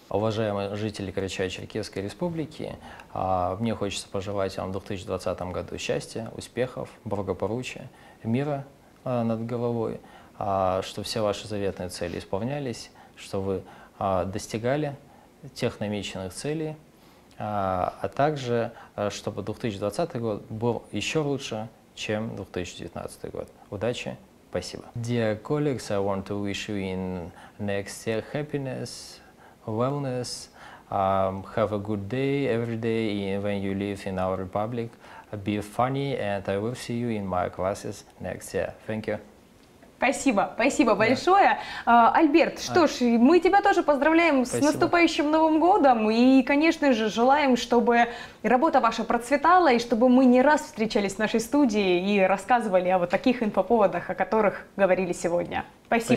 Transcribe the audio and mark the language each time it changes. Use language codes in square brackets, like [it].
[ru] Уважаемые жители Карачаево-Черкесской республики, мне хочется пожелать вам в 2020 году счастья, успехов, благополучия, мира над головой, что все ваши заветные цели исполнялись, что вы достигали тех намеченных целей, а также, чтобы 2020 год был еще лучше, чем 2019 год. Удачи, спасибо. [en] Dear colleagues, I want to wish you in next year happiness, wellness, have a good day every day when you live in our republic. Be funny, and I will see you in my classes next year. Thank you. [ru] Спасибо, спасибо большое. Альберт, что ж, мы тебя тоже поздравляем с наступающим Новым годом. И, конечно же, желаем, чтобы работа ваша процветала, и чтобы мы не раз встречались в нашей студии и рассказывали о вот таких инфоповодах, о которых говорили сегодня. Спасибо.